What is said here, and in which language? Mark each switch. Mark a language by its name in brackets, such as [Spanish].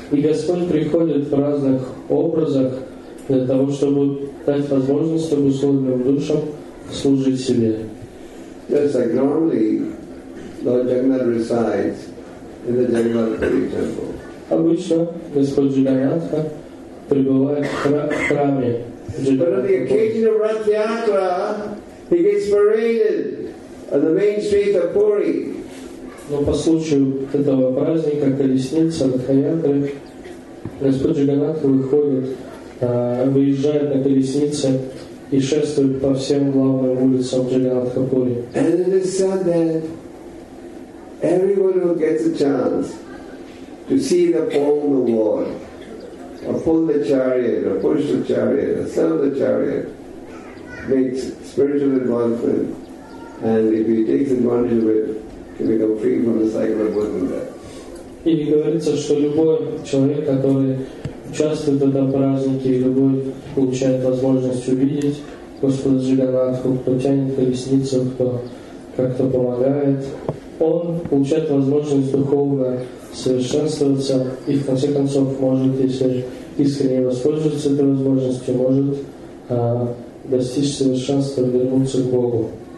[Russian] И Господь приходит в разных образах для того, чтобы дать возможность обусловленным душам служить себе. [English] Just like normally, Lord Jagannath resides in the Jagannath Puri temple. [Russian] Обычно Господь Джаганнатха пребывает в храме. [English] But on the occasion of Ratha Yatra, he gets paraded on the main street of Puri. [Russian] Но по случаю этого праздника колесница Ратха Ятры, Господь Джаганнатха выходит, выезжает на колеснице и шествует по всем главным улицам Джаганнатха-пури. [English] And it is said that everyone who gets a chance to see the pole in the wall, or pull the chariot, or push the chariot, or sell the chariot, makes spiritual advancement, and if he takes advantage of it, he becomes free from the cycle of birth and death. [Russian] И говорится, что любой человек, который участвует в этом празднике, и любой получает возможность увидеть Господа Джаганнатху, кто тянет колесницу, кто как-то помогает, он получает возможность духовно совершенствоваться и в конце концов может, если искренне воспользоваться этой возможностью, может достичь совершенства, вернуться к Богу.